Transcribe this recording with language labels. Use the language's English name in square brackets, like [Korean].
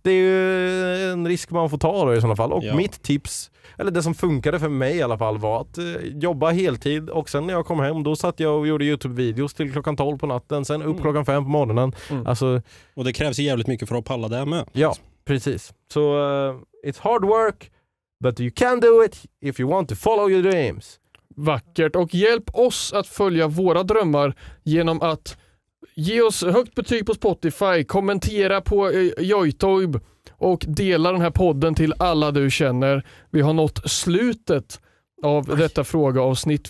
[Swedish] Det är ju en risk man får ta då i sådana fall. Och mitt tips, eller det som funkade för mig i alla fall, var att jobba heltid. Och sen när jag kom hem, då satt jag och gjorde YouTube-videos till klockan 12 på natten. Sen upp klockan 5 på morgonen. Mm. Alltså, och det krävs jävligt mycket för att palla det med. Ja, precis. Så [English] it's hard work, but you can do it if you want to follow your dreams. [Swedish] Vackert. Och hjälp oss att följa våra drömmar genom att ge oss högt betyg på Spotify, kommentera på Joytoib och dela den här podden till alla du känner. Vi har nått slutet av detta frågeavsnitt.